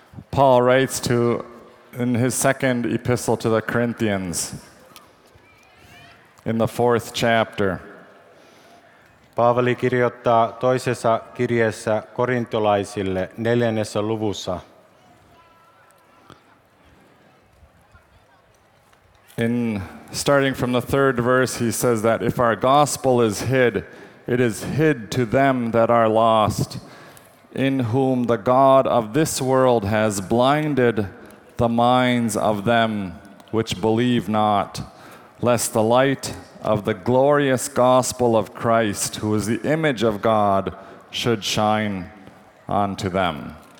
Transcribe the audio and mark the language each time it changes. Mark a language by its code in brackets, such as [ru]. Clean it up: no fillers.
[en] Paul writes to in his second epistle to the Corinthians in the 4th chapter. [fi] Paavali kirjoittaa toisessa kirjeessä korintolaisille 4. luvussa. [en] In starting from the third verse, he says that if our gospel is hid, it is hid to them that are lost, in whom the God of this world has blinded the minds of them which believe not, lest the light of the glorious gospel of Christ, who is the image of God, should shine unto them.